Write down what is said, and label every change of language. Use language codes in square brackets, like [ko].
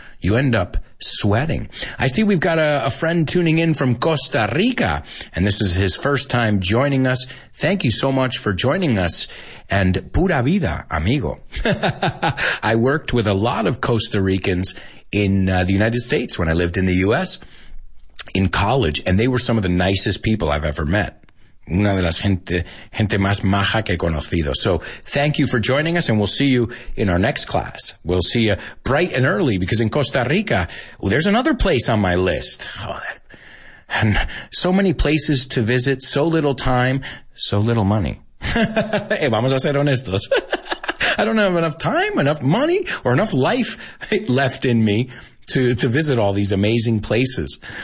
[en] you end up sweating. I see we've got a friend tuning in from Costa Rica, and this is his first time joining us. Thank you so much for joining us, and [es] pura vida, amigo. [en] I worked with a lot of Costa Ricans in the United States when I lived in the U.S. in college, and they were some of the nicest people I've ever met. [es] Una de las gente más maja que conocido. [en] So thank you for joining us, and we'll see you in our next class. We'll see you bright and early, because in Costa Rica, well, there's another place on my list. Joder. And so many places to visit, so little time, so little money. Hey, [es] vamos a ser honestos. [en] I don't have enough time, enough money, or enough life left in me to visit all these amazing places.